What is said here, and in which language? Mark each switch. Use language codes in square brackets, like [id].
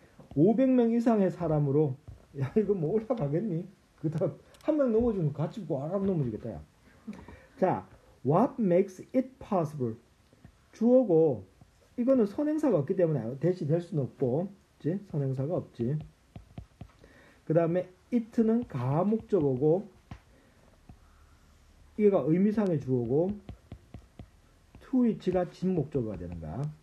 [ko] 500명 이상의 사람으로, 야, 이거 뭐 올라가겠니? 그 다음, 한 명 넘어주면 같이 꽉 넘어지겠다, 야. [en] 자, what makes it possible? [ko] 주어고, 이거는 선행사가 없기 때문에 대시 될 수는 없고, 그지? 선행사가 없지. 그 다음에 it는 가목적어고, 이게가 의미상의 주어고, to which가 진목적어가 되는 거야.